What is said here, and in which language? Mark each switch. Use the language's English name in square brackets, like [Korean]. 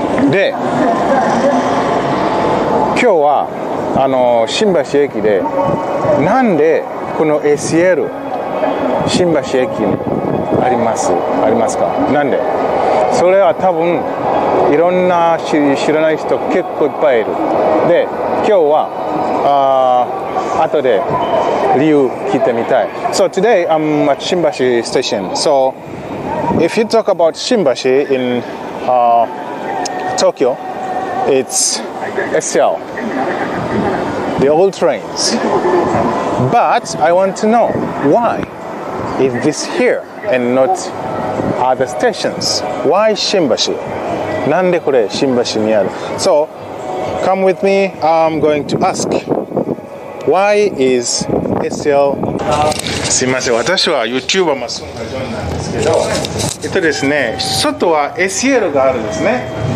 [Japanese] で、今日はあの新橋駅で、なんでこの SL 新橋駅にありますか？なんで？それは多分いろんな知らない人結構いっぱいいる。で、今日は後で理由聞いてみたい。 [English] So today I'm at 新橋 station. So if you talk about 新橋 in Tokyo, it's SL, the old trains. But I want to know why is this here and not other stations? Why 新橋？ [Japanese] なんでこれ新橋にある？ [English] So come with me. I'm going to ask why is SL. [Japanese] すいません、私は YouTuber マスンガジョンなんですけど、ですね、外は SL があるんですね。